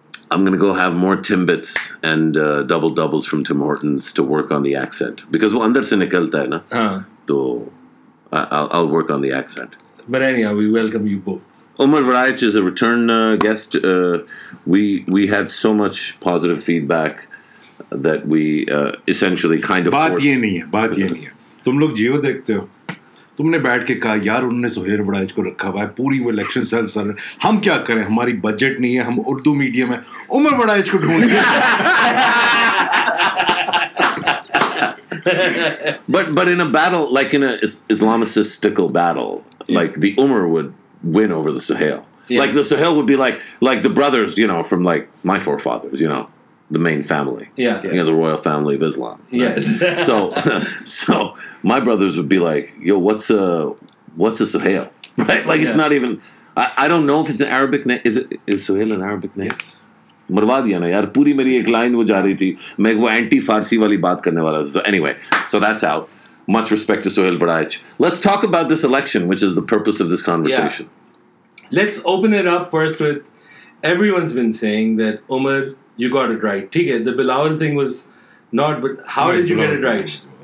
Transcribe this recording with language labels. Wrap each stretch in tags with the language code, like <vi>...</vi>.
<en>I'm gonna go have more Timbits and double doubles from Tim Hortons to work on the accent because</en> <hi>wo andar se nikalta hai na.</hi> <en>So, I'll work on the accent. But anyhow, we welcome you both. Umar Warach is a return guest. We had so much positive feedback that we essentially kind of forced.</en> <hi>बात ये नहीं है, बात ये नहीं है. तुम लोग जियो देखते हो, तुमने बैठ के कहा, यार उन्होंने सुहेर वराज को रखा हुआ है, पूरी वो इलेक्शन सेल सर, हम क्या करें, हमारी बजट नहीं है, हम उर्दू मीडियम है, उमर वराज को ढूंढ लिया.</hi> <en>But in a battle, like in an Islamistical battle, like the Umar would win over the Sahel. Yes. Like the Sahel would be like the brothers, you know, from like my forefathers, you know, the main family. Yeah. You know, the royal family of Islam. Right? Yes. So my brothers would be like, yo, what's a Sahel? Right? Like, yeah. It's not even, I don't know if it's an Arabic name. Is Sahel an Arabic name? Yes.</en> <hi>मरवा दिया ना यार पूरी मेरी एक line वो जा रही थी मैं वो एंटी फारसी वाली बात करने वाला था.</hi> <en>So that's out. Much respect to Sohail Varaj. Let's talk about this election, which is the purpose of this conversation. Yeah. Let's open it up first with everyone's been saying that Umar, you got it right.</en> <hi>ठीक है,</hi> <en>the Bilawal thing was not, but how did you get it right?</en>